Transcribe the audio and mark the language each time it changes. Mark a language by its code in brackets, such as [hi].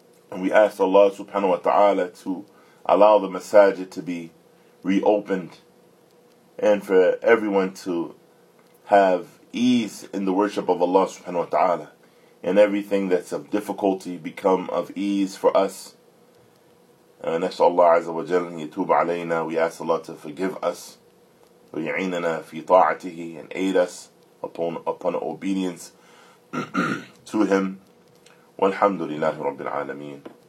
[en] And we ask Allah subhanahu wa ta'ala to allow the masajid to be reopened and for everyone to have ease in the worship of Allah subhanahu wa ta'ala. And everything that's of difficulty become of ease for us. [ar] And نسأل الله عز وجل أن يتوب علينا. [en] We ask Allah to forgive us. [ar] ويعيننا في طاعته, [en] and aid us upon obedience to him. [ar] والحمد لله رب العالمين.